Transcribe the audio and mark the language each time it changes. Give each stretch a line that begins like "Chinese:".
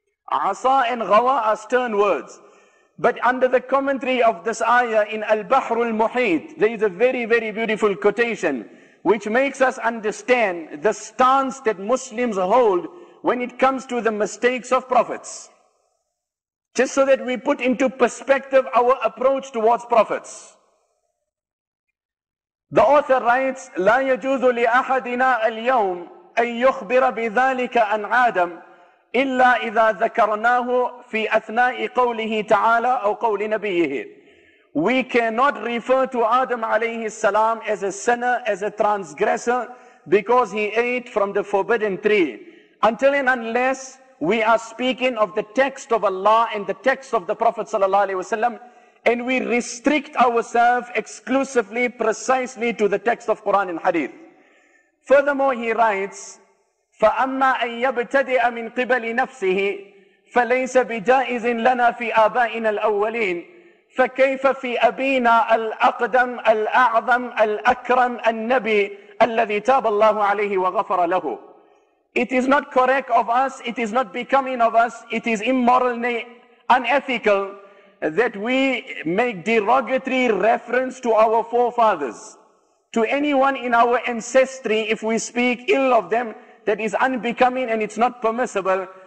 English: Asa and ghawa are stern words. But under the commentary of this ayah in Al-Bahrul Muhit, there is a very, very beautiful quotation which makes us understand the stance that Muslims hold when it comes to the mistakes of prophets. Just so that we put into perspective our approach towards prophets. The author writes,
Arabic: لَا يَجُوزُ لِأَحَدِنَا الْيَوْمِ أَن يُخْبِرَ بِذَلِكَ أَنْ عَادَمِ إِلَّا إِذَا ذَكَرْنَاهُ فِي أَثْنَاءِ قَوْلِهِ تَعَالَى أَوْ قَوْلِ نَبِيِّهِ.
English: we cannot refer to Adam alayhi salam as a sinner, as a transgressor, because he ate from the forbidden tree. Until and unless we are speaking of the text of Allah and the text of the Prophet sallallahu alayhi wasallam, and we restrict ourselves exclusively, precisely to the text of Quran and Hadith. Furthermore, he writes,
Arabic: فَأَمَّا أَن يَبْتَدِئَ مِنْ قِبَلِ نَفْسِهِ فَلَيْسَ بِجَائِزٍ لَنَا فِي آبَائِنَا الْأَوَّلِينَ فَكَيْفَ فِي أَبِينَا الْأَقْدَمِ الْأَعْظَمِ الْأَكْرَمِ النَّبِيِّ الَّذِي تَابَ اللَّهُ عَلَيْهِ وَغَفَرَ لَهُ.
English: It is not correct of us, it is not becoming of us, it is immoral, unethical, that we make derogatory reference to our forefathers, to anyone in our ancestry. If we speak ill of them, that is unbecoming and it's not permissible.